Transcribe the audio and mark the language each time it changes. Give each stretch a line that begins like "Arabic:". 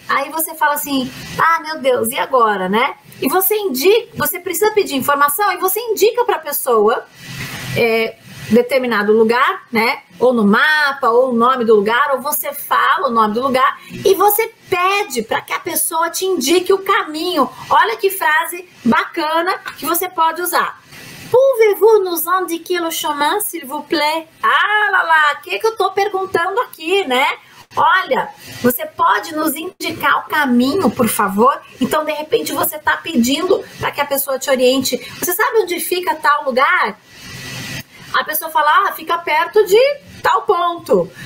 Portuguese: Aí você fala assim: ah, meu Deus, e agora, né? E você indica, você precisa pedir informação e você indica para a pessoa determinado lugar, né? Ou no mapa, ou o nome do lugar, ou você fala o nome do lugar e você pede para que a pessoa te indique o caminho. Olha que frase bacana que você pode usar.
French: Pouvez-vous nous indiquer le chemin, s'il vous plaît?
Portuguese: Ah, lá, lá, que eu tô perguntando aqui, né? Olha, você pode nos indicar o caminho, por favor? Então, de repente, você está pedindo para que a pessoa te oriente. Você sabe onde fica tal lugar? A pessoa fala: ah, fica perto de tal ponto.